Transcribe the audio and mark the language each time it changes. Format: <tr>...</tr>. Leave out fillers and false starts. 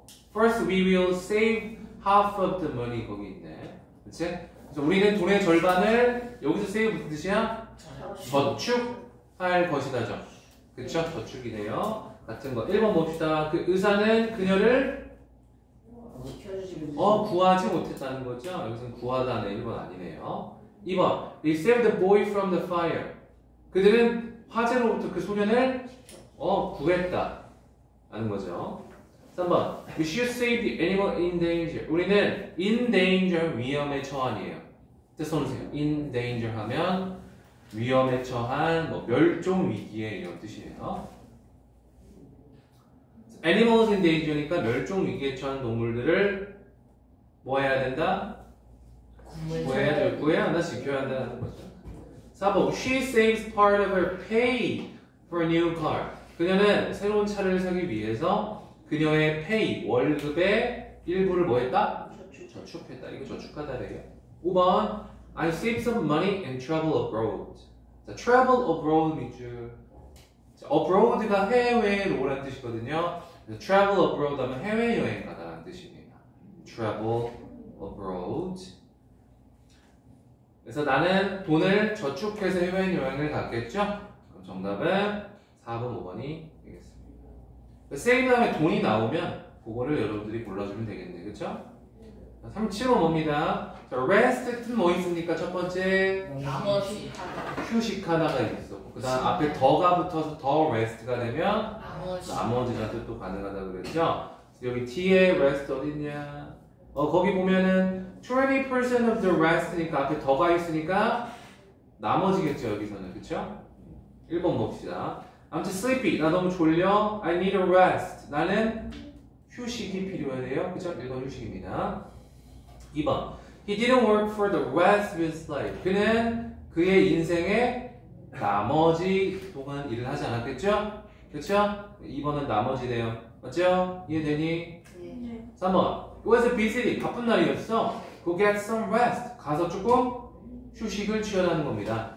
<en>First we will save half of the money.</en> <ko>거기 있네. 그치? 그래서 우리는 돈의 절반을 여기서 세이브 무슨 뜻이야? 저축할 것이다죠. 그쵸? 저축이네요. 같은 거. 1번 봅시다. 그 의사는 그녀를 구하지 못했다는 거죠? 여기서는 구하다는 1번 아니네요. 2번.</ko> <en>They saved the boy from the fire.</en> <ko>그들은 화재로부터 그 소년을 구했다. 라는 거죠. 3번.</ko> <en>We should save the animal in danger.</en> <ko>우리는 in danger, 위험에 처한이에요. 뜻 써놓으세요. in danger 하면 위험에 처한, 뭐, 멸종 위기에 이런 뜻이에요. Animals in danger니까 멸종 위기에 처한 동물들을 뭐 해야 된다? 구해야 돼. 구해야 한다, 지켜야 한다는 거죠. 4번.</ko> <en>She saves part of her pay for a new car.</en> <ko>그녀는 새로운 차를 사기 위해서 그녀의 pay, 월급의 일부를 뭐 했다? 저축했다. 이거 저축하다래요. 5번.</ko> <en>I saved some money and travel abroad.</en> <ko>자, travel abroad 위주. abroad가 해외로라는 뜻이거든요. travel abroad 하면 해외여행 가다라는 뜻입니다. travel abroad. 그래서 나는 돈을 저축해서 해외여행을 갔겠죠? 그럼 정답은 4번, 5번이 되겠습니다. 세이브 다음에 돈이 나오면 그거를 여러분들이 골라주면 되겠네요. 그쵸? 3, 7번 뭡니다. 자, rest는 뭐 있습니까? 첫 번째 휴식하다가 있어. 그 다음 앞에 더가 붙어서 더 rest가 되면 나머지가 또 가능하다고 그랬죠? 여기 뒤에 rest 어딨냐? 거기 보면은</ko> <en>20% of the rest</en> <ko>니까 앞에 더가 있으니까 나머지겠죠, 여기서는. 그쵸? 1번 봅시다.</ko> <en>I'm too sleepy.</en> <ko>나 너무 졸려.</ko> <en>I need a rest.</en> <ko>나는 휴식이 필요해요. 그쵸? 1번 휴식입니다. 2번.</ko> <en>He didn't work for the rest of his life.</en> <ko>그는 그의 인생의 나머지 동안 일을 하지 않았겠죠? 그쵸? 2번은 나머지네요. 맞죠? 이해되니? 네.</ko> <en>3번. It was a busy day.</en> <ko>바쁜 날이었어.</ko> <en>Go get some rest.</en> <ko>가서 조금 휴식을 취하라는 겁니다.</ko>